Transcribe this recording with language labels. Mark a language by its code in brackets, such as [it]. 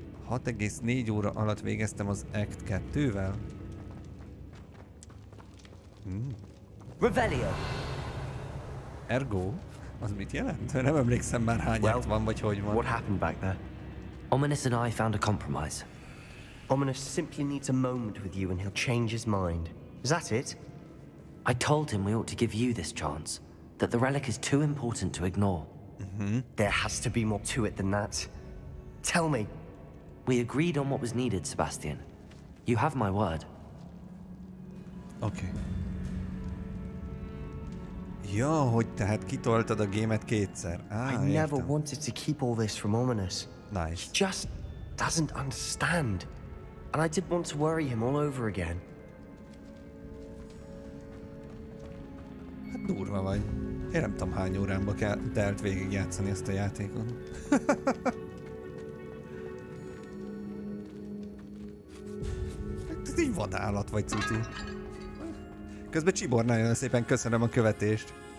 [hu] 6,4 óra alatt végeztem az Act 2-vel. Revelio! Ergo? Az mit jelent? Nem emlékszem már hány act van, vagy hogy van. [en] What happened back there? Ominous and I found a compromise. Ominous simply needs a moment with you and he'll change his mind. Is that it? I told him we ought to give you this chance. That the relic is too important to ignore. Mm-hmm. There has to be more to it than that. Tell me. We agreed on what was needed, Sebastian. You have my word. Okay. [hu] Ja, hogy tehát kitoltad a gémet kétszer. [en] I never wanted to keep all this from Ominous. Nice. He just doesn't understand. and I didn't want to worry him all over again. [hu] Hát durva vagy. Én nem tudom hány órámba telt végigjátszani ezt a játékot. Ez egy vadállat vagy, Cici. Közben Csibor, nagyon szépen köszönöm a követést.